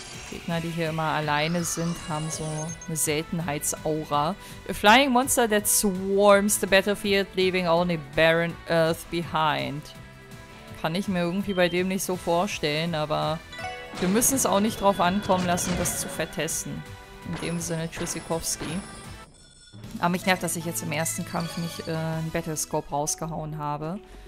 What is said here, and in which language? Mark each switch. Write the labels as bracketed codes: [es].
[de] Gegner, die hier immer alleine sind, haben so eine Seltenheitsaura. [en] A flying monster that swarms the battlefield, leaving only barren earth behind. [de] Kann ich mir irgendwie bei dem nicht so vorstellen, aber wir müssen es auch nicht drauf ankommen lassen, das zu vertesten. In dem Sinne, Tschüssikowski. Aber mich nervt, dass ich jetzt im ersten Kampf nicht einen Battlescope rausgehauen habe.